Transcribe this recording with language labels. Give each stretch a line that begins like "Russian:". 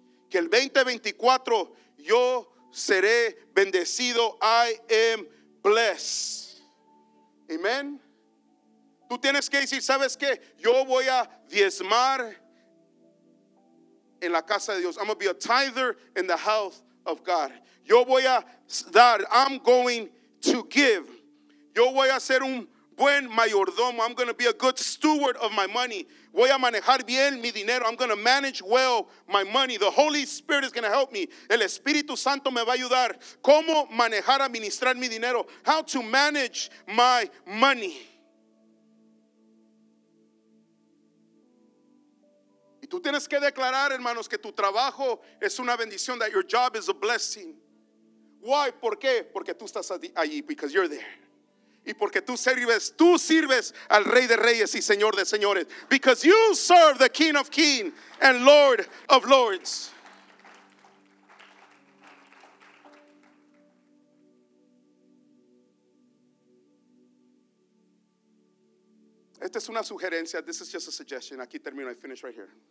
Spanish: Que el 2024 yo seré bendecido.
English: I am blessed. Amén.
Spanish: Tú tienes que decir, ¿sabes qué? Yo voy a diezmar en la casa de Dios.
English: I'm going to be a tither in the house of God.
Spanish: Yo voy a dar.
English: I'm going to give.
Spanish: Yo voy a ser un buen mayordomo.
English: I'm going to be a good steward of my money.
Spanish: Voy a manejar bien mi dinero.
English: I'm going to manage well my money. The Holy Spirit is going to help me.
Spanish: El Espíritu Santo me va a ayudar. ¿Cómo manejar, administrar mi dinero?
English: How to manage my money.
Spanish: Y tú tienes que declarar, hermanos, que tu trabajo es una bendición.
English: That your job is a blessing. Why?
Spanish: ¿Por qué? Porque tú estás allí.
English: Because you're there.
Spanish: Y porque tú sirves al Rey de Reyes y Señor de Señores.
English: Because you serve the King of Kings and Lord of Lords.
Spanish: Esta es una sugerencia.
English: This is just a suggestion.
Spanish: Aquí termino.
English: I finish right here.